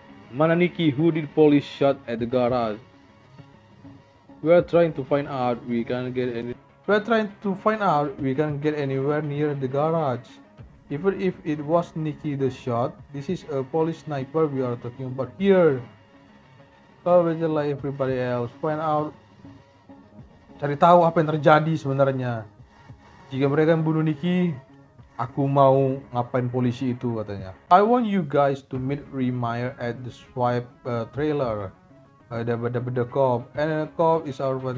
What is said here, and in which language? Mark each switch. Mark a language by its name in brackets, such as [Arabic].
[English] Mana Nikki, who did police shot at the garage? We're trying to find out, we can't get any. We can't get anywhere near the garage. Even if it was Nikki the shot, this is a police sniper we are talking about here. So, we're like everybody else, find out. [Indonesian] Cari tahu apa yang terjadi sebenarnya. Jika mereka membunuh Nikki, aku mau ngapain polisi itu katanya. [English] I want you guys to meet Remyer at the swipe trailer. The cop. And the cop is our...